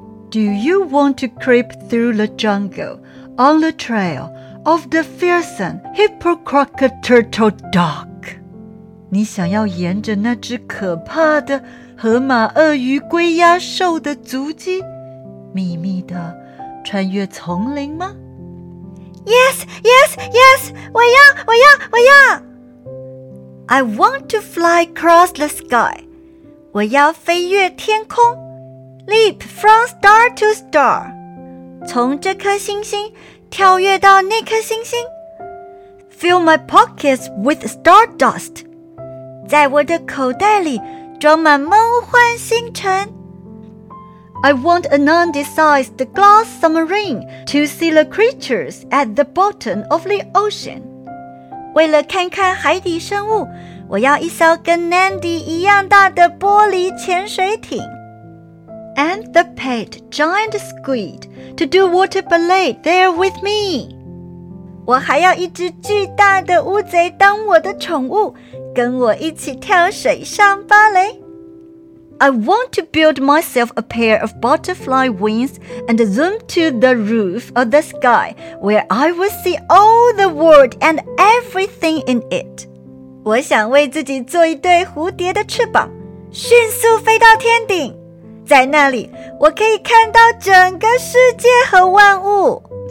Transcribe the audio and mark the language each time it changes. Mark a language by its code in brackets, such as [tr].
[en] Do you want to creep through the jungle on the trail of the fearsome hippocrocoturtle dog? [zh] 你想要沿着那只可怕的河马、鳄鱼、龟鸭、兽的足迹，秘密地穿越丛林吗 [en] ？Yes, yes, yes! [zh] 我要，我要，我要 [en] ！I want to fly across the sky. [zh] 我要飞越天空 [en] ，leap from star to star. [zh] 从这颗星星跳跃到那颗星星 ， [en] fill my pockets with stardust. [zh] 在我的口袋里。装满梦幻星辰。 [en] I want a Nandi-sized glass submarine to see the creatures at the bottom of the ocean. [zh] 为了看看海底生物，我要一艘跟 Nandi 一样大的玻璃潜水艇。 [en] And the pet giant squid to do water ballet there with me. [zh] 我还要一只巨大的乌贼当我的宠物。跟我一起跳水上芭蕾。 [en] I want to build myself a pair of butterfly wings and zoom to the roof of the sky where I will see all the world and everything in it. [zh] 我想为自己做一对蝴蝶的翅膀，迅速飞到天顶。在那里，我可以看到整个世界和万物。